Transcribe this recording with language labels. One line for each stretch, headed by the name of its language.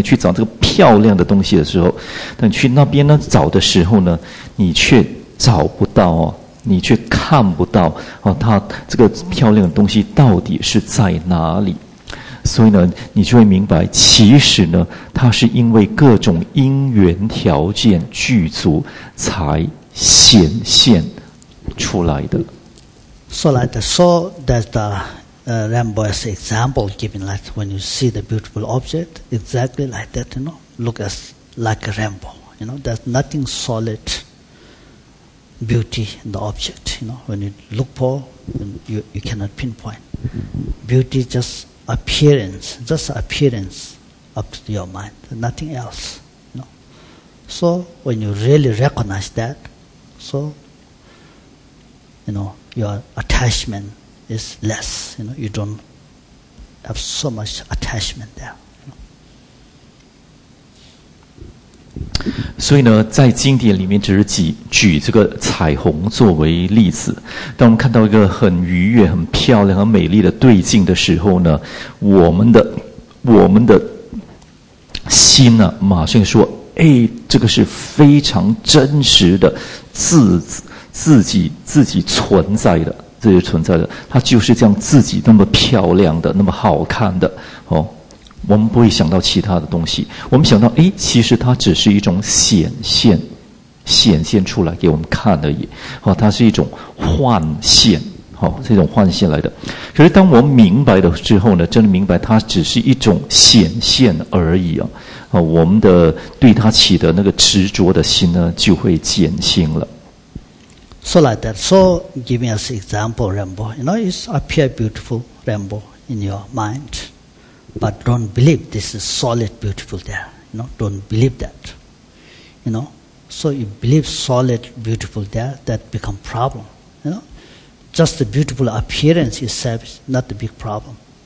Chinese: 你去找这个漂亮的东西的时候，但去那边呢找的时候呢，你却找不到哦，你却看不到哦，它这个漂亮的东西到底是在哪里？所以呢，你就会明白，其实呢，它是因为各种因缘条件具足才显现出来的。
English: So like that, so that the rainbow is example given, like when you see the beautiful object, exactly like that, you know, look as like a rainbow, you know, there's nothing solid beauty in the object, you know, when you look for, you cannot pinpoint. Beauty just appearance up to your mind, nothing else, you know. So when you really recognize that, so, you know,Your attachment is less. You know, you don't have so much attachment there.
Chinese: 所以呢，在经典里面只是举这个彩虹作为例子。当我们看到一个很愉悦、很漂亮、很美丽的对镜的时候呢，我们的心呢、啊，马上说：“哎，这个是非常真实的自己存在的，自己存在的，它就是这样自己那么漂亮的，那么好看的哦。我们不会想到其他的东西，我们想到，哎，其实它只是一种显现出来给我们看而已。哦，它是一种幻现，哦，是一种幻现来的。可是当我们明白的之后呢，真的明白它只是一种显现而已啊。哦，我们的对它起的那个执着的心呢，就会减轻了。
English: So like that. So giving us example, rainbow. You know, it appears beautiful rainbow in your mind, but don't believe this is solid beautiful there. You know, don't believe that. You know, so you believe solid beautiful there, that become problem. You know, just the beautiful appearance itself is not the big problem.